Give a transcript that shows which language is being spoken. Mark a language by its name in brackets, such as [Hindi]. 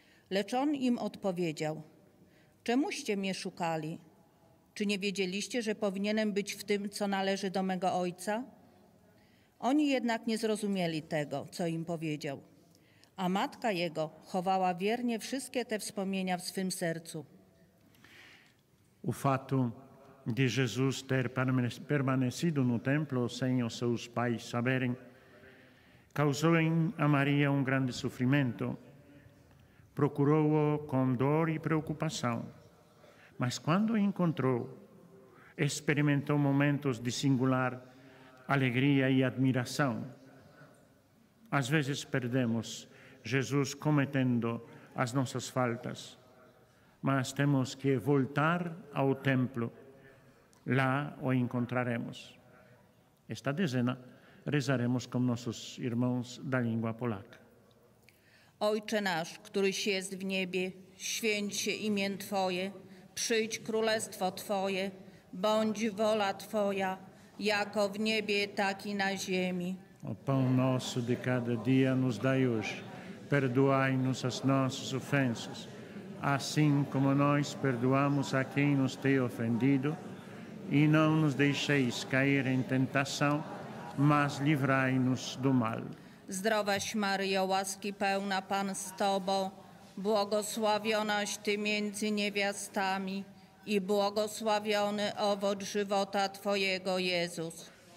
[Polish] Lecz on im odpowiedział: Czemuście mnie szukali? Czy nie wiedzieliście, że powinienem być w tym, co należy do mego ojca? Oni jednak nie zrozumieli tego, co im powiedział. A matka jego chowała wiernie wszystkie te wspomnienia w swym sercu. U fatu. [Portuguese] De Jesus ter permanecido no templo sem os seus pais saberem, causou em a Maria grande sofrimento. procurou-o com dor e preocupação, mas quando o encontrou, experimentou momentos de singular alegria e admiração. Às vezes perdemos Jesus cometendo as nossas faltas, mas temos que voltar ao templo, lá o encontraremos. Esta dezena rezaremos com nossos irmãos da língua polaca. [Polish] Ojcze nasz, któryś jest w niebie, święć się imię Twoje, przyjdź królestwo Twoje, bądź wola Twoja, jako w niebie, tak i na ziemi. [Portuguese] O pão nosso de cada dia nos dai hoje, perdoai-nos as nossas ofensas, assim como nós perdoamos a quem nos tem ofendido, e não nos deixeis cair em tentação, mas livrai-nos do mal. [Polish] Zdrowaś Maryjo, łaski pełna, Pan z Tobą, błogosławionaś Ty między niewiastami i błogosławiony owoc żywota Twojego, Jezus.